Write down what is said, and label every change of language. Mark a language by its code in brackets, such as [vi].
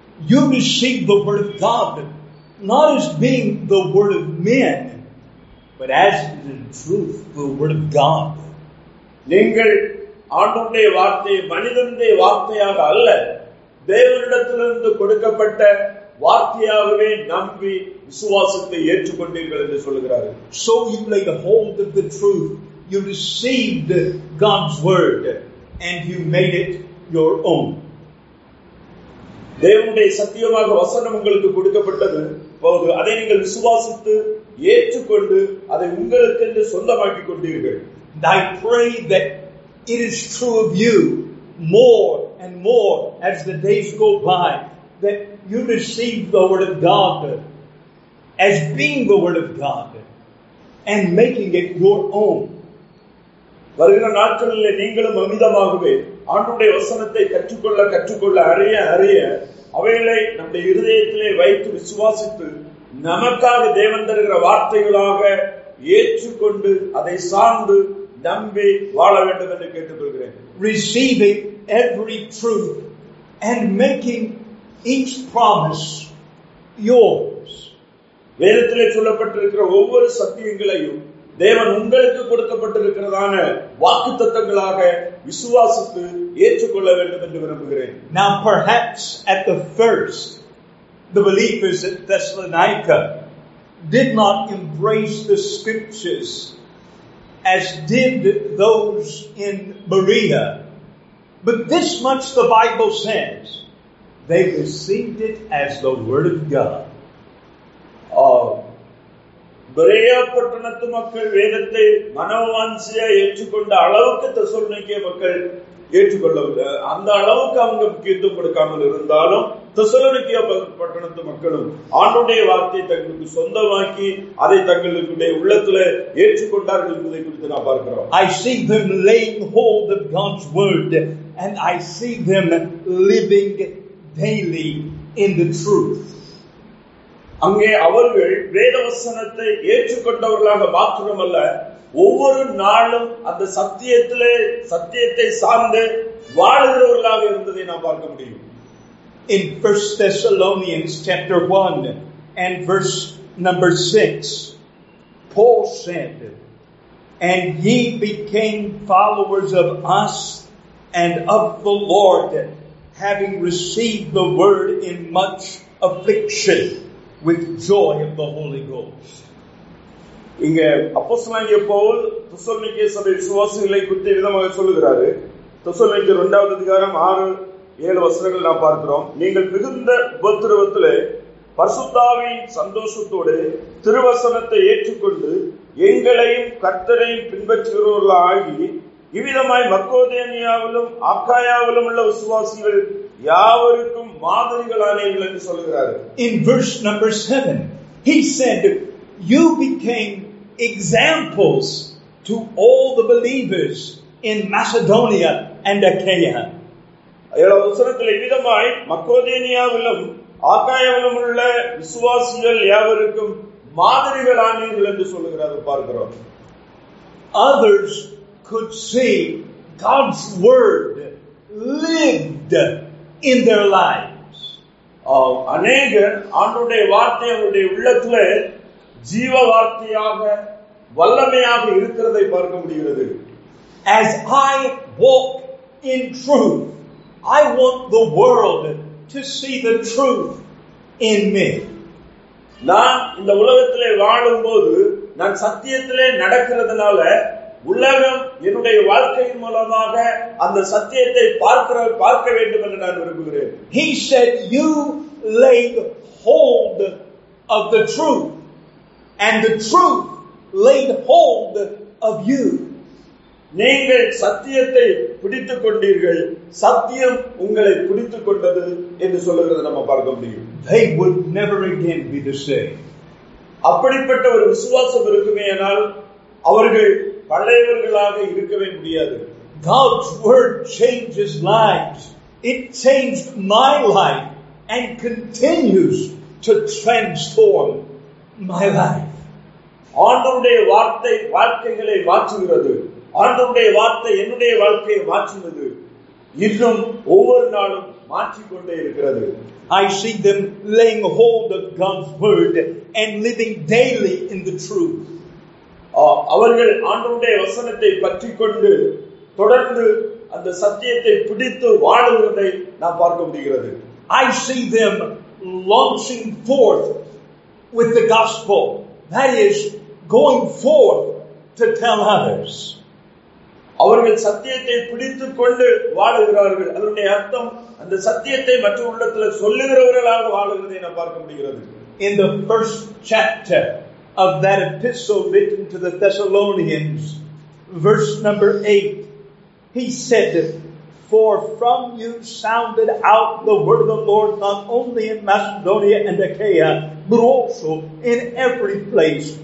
[en] You receive the word of God, not as being the word of men, but as it is in truth, the word of God. [ta] நீங்கள் ஆண்டவருடைய வார்த்தை மனிதனுடைய வார்த்தையாக அல்ல தேவனிடத்திலிருந்து கொடுக்கப்பட்ட வார்த்தையாகவே நம்பி விசுவாசத்தை ஏற்றுக்கொண்டீர்கள் என்று சொல்கிறார்கள். [en] So you laid hold of the truth, you received God's word, and you made it your own. [ta] தேவனுடைய சத்தியமாக வசனம் உங்களுக்கு கொடுக்கப்பட்டது, அதை நீங்கள் விசுவாசித்து ஏற்றுக்கொண்டு அதை உங்களுக்கு என்று சொந்தமாக்கிக் கொண்டீர்கள். [en] I pray that it is true of you more and more as the days go by, that you receive the word of God as being the word of God and making it your own. [ta] வருகிற நாட்களில் நீங்களும் அமிதமாகவே ஆண்டவருடைய வசனத்தை கற்றுக்கொள்ள அறிய அறிய அவைகளை நம்முடைய இருதயத்திலே வைத்து விசுவாசித்து நமக்காக தேவன் தருகிற வார்த்தைகளாக ஏற்றுக்கொண்டு அதை சார்ந்து நம்பி வாழ வேண்டும் என்று கேட்டுக்கொள்கிறேன். [en] Receiving every truth and making each promise yours. [ta] வேதத்திலே சொல்லப்பட்டிருக்கிற ஒவ்வொரு சத்தியங்களையும் தேவன் உங்களுக்கு கொடுக்கப்பட்டிருக்கிறதான வாக்கு தத்தங்களாக விசுவாசித்து ஏற்றுக்கொள்ள வேண்டும் என்று விரும்புகிறேன். [en] Now perhaps at the first, the believers at Thessalonica did not embrace the scriptures as did those in Berea. But this much the Bible says, they received it as the word of God. [ta] பிரேயப்பட்டணத்து மக்கள் வேதத்தை மனவாஞ்சியா ஏற்றுக்கொண்ட அளவுக்கு Thessalonica மக்கள் ஏற்றுக்கொள்ளவில்லை. அந்த அளவுக்கு அவங்க முக்கியத்துவம் கொடுக்காமல் இருந்தாலும் தெசலோனிக்கே பட்டணத்து மக்களும் ஆண்டவருடைய வார்த்தையை தங்களுக்கு சொந்தமாக்கி அதை தங்களுடைய உள்ளத்துல ஏற்றுக்கொண்டார்கள் என்பதை குறித்து நான் பார்க்கிறோம். [en] I see them laying hold of God's word and I see them living daily in the truth. [ta] அங்கே அவர்கள் வேத வசனத்தை ஏற்றுக்கொண்டவர்களாக மாத்திரமல்ல ஒவ்வொரு நாளும் அந்த சத்தியத்திலே சத்தியத்தை சார்ந்து வாழ்கிறவர்களாக இருந்ததை நாம் பார்க்க முடியும். [en] In 1 Thessalonians chapter 1 and verse number 6, Paul said, "And ye became followers of us and of the Lord, having received the word in much affliction with joy of the Holy Ghost." [ta] இங்க அப்போஸ்தலனாகிய Pavul Thessalonica சபை விசுவாசிகளை குறித்த விதமாக சொல்லுகிறாரு. Thessalonica 2:6-7 வசனங்கள் நாம் பார்க்கிறோம். நீங்கள் மிகுந்த உபத்திரவத்திலே பரிசுத்தாவியின் சந்தோஷத்தோடு திருவசனத்தை ஏற்றுக்கொண்டு எங்களையும் கர்த்தரையும் பின்பற்றுகிறவர்கள் ஆகி இவ்விதமாய் மக்கோதேனியாவிலும் ஆக்காயாவிலும் உள்ள விசுவாசிகள் யாவருக்கும் மாதிரிகளானீர்கள் என்று சொல்கிறார். [en] In verse number 7, he said, "You became examples to all the believers in Macedonia and Achaia." [ta] ஏழாவது வசனத்தில் இவ்விதமாய் மக்கோதேனியாவிலும் ஆக்காயாவிலும் உள்ள விசுவாசிகள் யாவருக்கும் மாதிரிகளானீர்கள் என்று சொல்கிறார் பார்க்கிறோம். [en] Others could see God's word lived in their lives. [ta] அநேகர் ஆண்டவருடைய வார்த்தை அவருடைய உள்ளத்திலே ஜீவ வார்த்தையாக வல்லமையாக இருக்கிறதை பார்க்க முடிகிறது. [en] As I walk in truth, I want the world to see the truth in me. [ta] நான் இந்த உலகத்திலே வாழும்போது நான் சத்தியத்திலே நடக்கிறதுனால உலகம் என்னுடைய வாழ்க்கையின் மூலமாக அந்த சத்தியத்தை பார்க்க வேண்டும் என்று நான் விரும்புகிறேன். [en] He said, "You laid hold of the truth, and the truth laid hold of you." [ta] நீங்கள் சத்தியத்தை பிடித்துக் கொண்டீர்கள், சத்தியம் உங்களை பிடித்துக் கொண்டது என்று சொல்லுகிறத நம்ம பார்க்க முடியும். [en] They would never again be the same. [ta] அப்படிப்பட்ட ஒரு விசுவாசம் இருக்குமேயானால் அவர்கள் பழையவர்களாக இருக்கவே முடியாது. [en] God's word changes lives. It changed my life and continues to transform my life. [ta] ஆண்டவருடைய வார்த்தை வாழ்க்கைகளை மாற்றுகிறது. ஆண்டவருடைய வார்த்தை என்னுடைய வாழ்க்கையை மாற்றுகிறது. இன்றும் ஒவ்வொரு நாளும் மாற்றிக்கொண்டே இருக்கிறது. [en] I see them laying hold of God's word and living daily in the truth. [ta] அவர்கள் ஆண்டவருடைய வசனத்தை பற்றி கொண்டு தொடர்ந்து அந்த சத்தியத்தை பிடித்து வாழுவதை நான் பார்க்க முடிகிறது. [en] I see them launching forth with the gospel, that is, going forth to tell others. [ta] அவர்கள் சத்தியத்தை பிடித்துக் கொண்டு வாழுகிறார்கள். அதனுடைய அர்த்தம் அந்த சத்தியத்தை மற்ற உள்ளத்தில் சொல்லுகிறவர்களாக வாழுகிறதை நான் பார்க்க முடிகிறது. [en] In the first chapter of that epistle written to the Thessalonians, verse number 8, he said, "For from you sounded out the word of the Lord, not only in Macedonia and Achaia, but also in every place.